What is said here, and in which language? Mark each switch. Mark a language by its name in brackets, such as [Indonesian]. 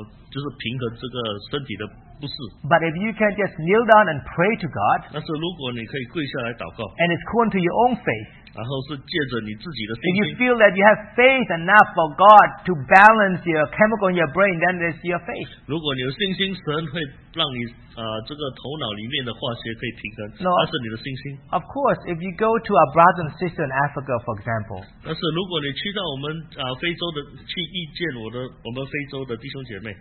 [Chinese] 有一个所以一个好的方法就是利用药物来就是平衡这个身体的 [English] But if you can just kneel down and pray to God, [Chinese] 但是如果你可以跪下来祷告, [English] and it's according to your own faith, [Chinese] 然后是借着你自己的信心, [English] if you feel that you have faith enough for God to balance your chemical in your brain, then it's your faith. [Chinese] 如果你有信心, 神会让你, 这个头脑里面的化学可以平衡, no, 那是你的信心。 [English] Of course, if you go to our brothers and sisters in Africa, for example, [Chinese] 但是如果你去到我们, 非洲的, 去遇见我的, 我们非洲的弟兄姐妹,